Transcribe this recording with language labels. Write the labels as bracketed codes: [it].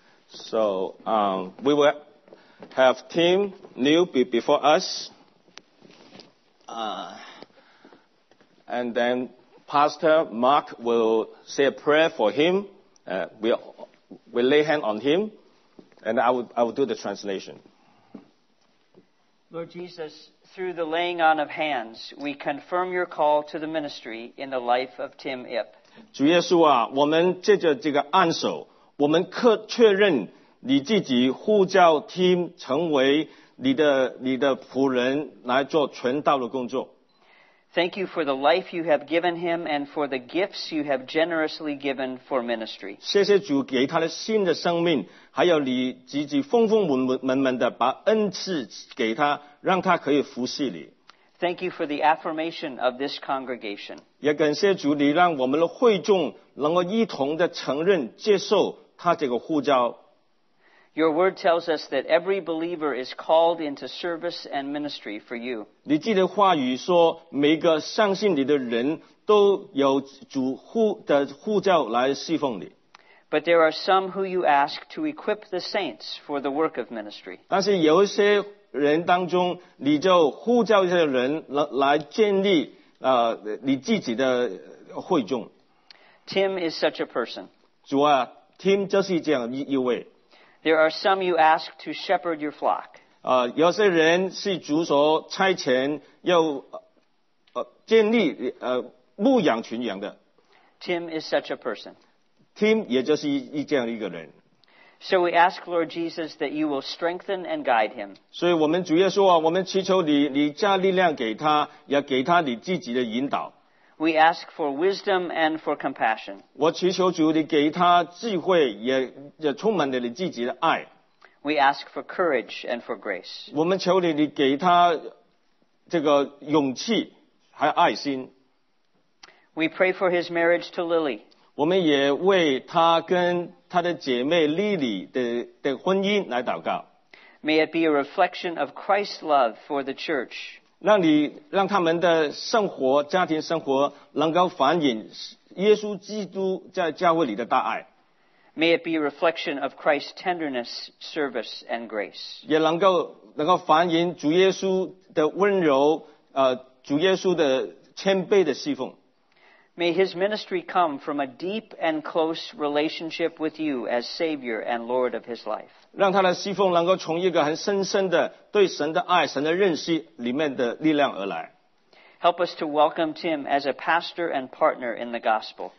[en] So we will have Tim Liu before us, and then Pastor Mark will say a prayer for him. We'll lay hand on him, and I will do the translation. Lord Jesus, through the laying on of hands, we confirm your call to the ministry in the life of Tim Ip. [zh] 主耶稣啊，我们借着这个按手，我们确认。你自己呼召 Tim 成为你的仆人来做传道的工作。 [en] Thank you for the life you have given him and for the gifts you have generously given for ministry. [zh] 谢谢主给他的新的生命，还有你自己丰丰满满的把恩赐给他，让他可以服侍你。 [en] Thank you for the affirmation of this congregation. [zh] 也感谢主你让我们的会众能够一同的承认接受他这个呼召。 [en] Your word tells us that every believer is called into service and ministry for you. [zh] 你记得话语说，每个相信你的人都有主呼召来侍奉你。 [en] But there are some who you ask to equip the saints for the work of ministry. [zh] 但是有一些人当中，你就呼召这些人来建立你自己的会众。 [en] Tim is such a person. [zh] 主啊 ，Tim 就是这样一位。 [en] There are some you ask to shepherd your flock. [zh] 有些人是主所差遣要建立牧养群羊的。 [en] Tim is such a person. [zh] Tim 也就是一这样一个人。 [en] So we ask Lord Jesus that you will strengthen and guide him. [zh] 所以我们主耶稣啊，我们祈求你加力量给他，也给他你自己的引导。 [en] We ask for wisdom and for compassion. [zh] 我祈求主你给他智慧，也充满了你自己的爱。 [en] We ask for courage and for grace. [zh] 我们求你给他这个勇气还有爱心。 [en] We pray for his marriage to Lily. [zh] 我们也为他跟他的姐妹莉莉 的婚姻来祷告。 [en] May it be a reflection of Christ's love for the church. [zh] 让他们的生活，家庭生活能够反映耶稣基督在教会里的大爱。 [en] May it be a reflection of Christ's tenderness, service, and grace. [zh] 也能够反映主耶稣的温柔，主耶稣的谦卑的侍奉。 [en] May his ministry come from a deep and close relationship with you as Savior and Lord of his life. [zh] 让他的侍奉能够从一个很深深的对神的爱、神的认识里面的力量而来。 [en] Help us to welcome Tim as a pastor and partner in the gospel.